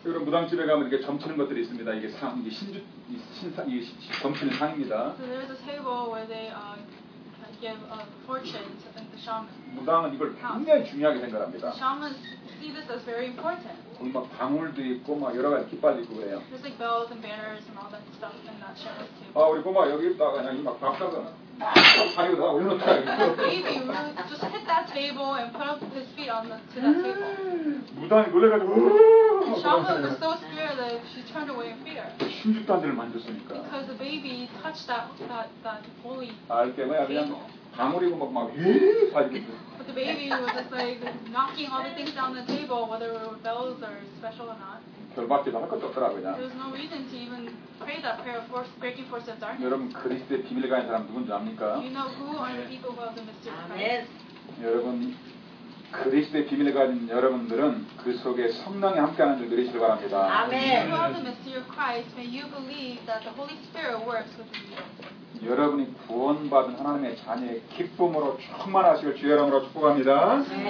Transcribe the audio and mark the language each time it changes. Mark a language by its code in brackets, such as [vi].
[ko] 그럼 무당 집에 가면 이렇게 점치는 것들이 있습니다. 이게 상, 이게 신주, 신상, 이게 점치는 상입니다. [en] So there's a table where they give a fortune to the shaman. [ko] 무당은 이걸 굉장히 중요하게 생각합니다. [en] Shamans see this as very important. [ko] 막 방울도 있고 막 여러 가지 깃발도 있고 그래요. [en] There's like bells and banners and all that stuff in that shaman's table. [ko] 아 우리 꼬마 여기 있다가 그냥 막 박다가 다리로 다 올려놓다. [en] Baby really just hit that table and put up his feet on the to that table. [ko] 무당이 놀래가지고. [en] Shaman was so scared that she turned away in fear. [ko] 신주단지를 만졌으니까. [en] Because the baby touched that holy. [ko] 아 이렇게 뭐야 그냥. 방울이고 막 예! 사진이 [en] But the baby was just like knocking all the things down the table, whether it were bells or special or not. [ko] 결박기도 할 것도 없더라고요. [en] There's no reason to even pray that prayer of breaking forces of darkness. [ko] 여러분 그리스도의 비밀 가진 사람 누군지 압니까? [en] You know who are the people who have the mystery of Christ? [ko] 여러분 그리스도의 비밀 가진 여러분들은 그 속에 성령이 함께하는 줄 믿으시길 바랍니다. 아멘. [en] If you have the mystery of Christ, may you believe that the Holy Spirit works with you. [ko] 여러분이 구원받은 하나님의 자녀의 기쁨으로 충만하시고 주여 이름으로 축복합니다.